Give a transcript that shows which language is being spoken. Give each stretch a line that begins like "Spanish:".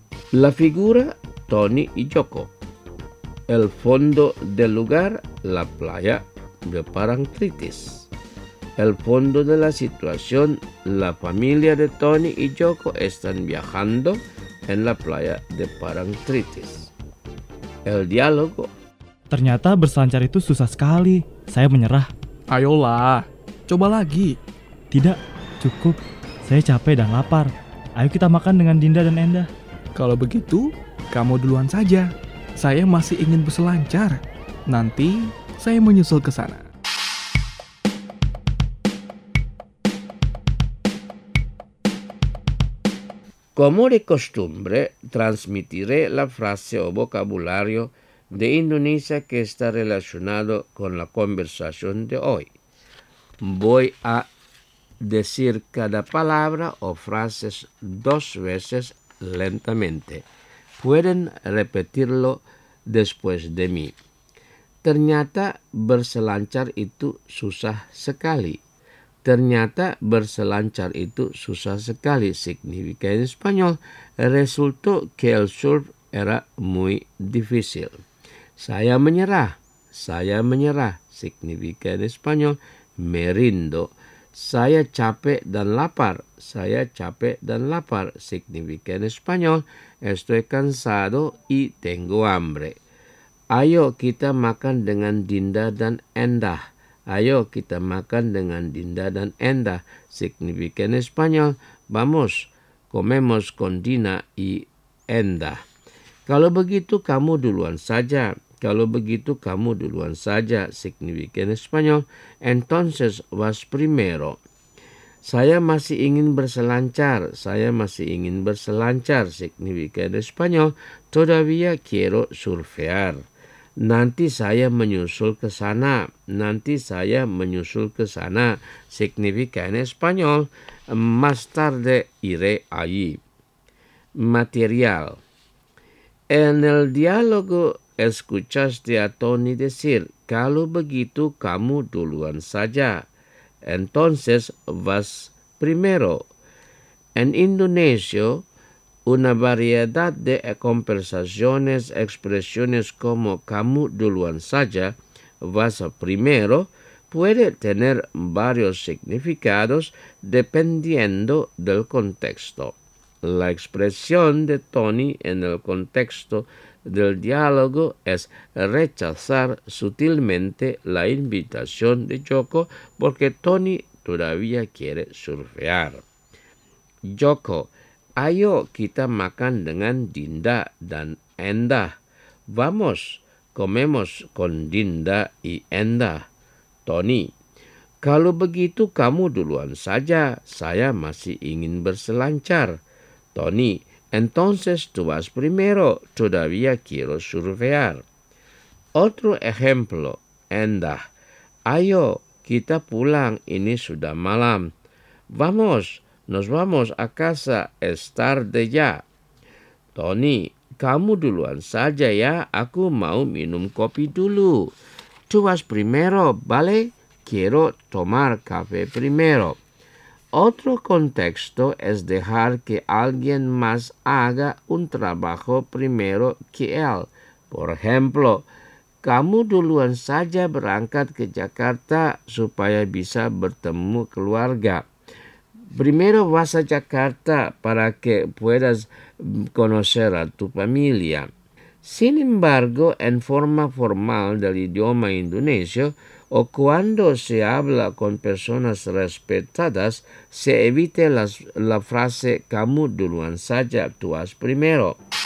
Spanish: La figura Tony y Joko. El fondo del lugar, la playa de Parangtritis. el fondo de la situación, la familia de Tony y Yoko están viajando en la playa de Parangtritis. El diálogo.
Indonesian: Ternyata berselancar itu susah sekali. Saya menyerah. Ayolah, coba lagi. Tidak, cukup. Saya capek dan lapar. Ayo kita makan dengan Dinda dan Enda. Kalau begitu, kamu duluan saja. Saya masih ingin berselancar. Nanti saya menyusul ke sana.
Spanish: Como de costumbre, transmitiré la frase o vocabulario de Indonesia que está relacionado con la conversación de hoy. Voy a decir cada palabra o frase dos veces lentamente. Pueden repetirlo después de mí.
Indonesian: Ternyata berselancar itu susah sekali. Ternyata berselancar itu susah sekali
Spanish: significa en español. Resultó que el surf era muy difícil.
Indonesian: Saya menyerah. Saya menyerah
Spanish: significa en español. Me rindo.
Indonesian: Saya capek dan lapar. Saya capek dan lapar
Spanish: significa en español. Estoy cansado y tengo hambre.
Indonesian: Ayo kita makan dengan Dinda dan Endah. Ayo kita makan dengan Dinda dan Endah.
Spanish: Significa en español. Vamos, comemos con Dina y Endah.
Indonesian: Kalau begitu kamu duluan saja. Kalau begitu kamu duluan saja.
Spanish: Significa en español. Entonces vas primero.
Indonesian: Saya masih ingin berselancar. Saya masih ingin berselancar.
Spanish: Significa en español. Todavía quiero surfear.
Indonesian: Nanti saya menyusul ke sana. Nanti saya menyusul ke sana.
Spanish: Significa en español. Más tarde iré allí. Material. En el diálogo escuchaste a Tony decir,
Indonesian: kalau begitu kamu duluan saja.
Spanish: Entonces vas primero. En Indonesia, una variedad de conversaciones, expresiones como
Indonesian: kamu duluan saja,
Spanish: vas primero, puede tener varios significados dependiendo del contexto. La expresión de Tony en el contexto del diálogo es rechazar sutilmente la invitación de Yoko porque Tony todavía quiere surfear. Yoko.
Indonesian: Ayo kita makan dengan Dinda dan Enda.
Spanish: Vamos, comemos con Dinda y Enda.
Indonesian: Tony, kalau begitu kamu duluan saja, saya masih ingin berselancar.
Spanish: Tony, entonces tú vas primero, todavía quiero surfear. Otro ejemplo, Enda.
Indonesian: Ayo kita pulang, ini sudah malam.
Spanish: Vamos. Nos vamos a casa, es tarde ya.
Indonesian: Tony, kamu duluan saja ya, aku mau minum kopi dulu.
Spanish: Tú vas primero, ¿vale? Quiero tomar café primero. Otro contexto es dejar que alguien más haga un trabajo primero que él. Por ejemplo,
Indonesian: kamu duluan saja berangkat ke Jakarta supaya bisa bertemu keluarga.
Spanish: Primero vas a Jakarta para que puedas conocer a tu familia. Sin embargo, en forma formal del idioma indonesio o cuando se habla con personas respetadas, se evita la frase
Indonesian: kamu duluan saja,
Spanish: tú vas primero.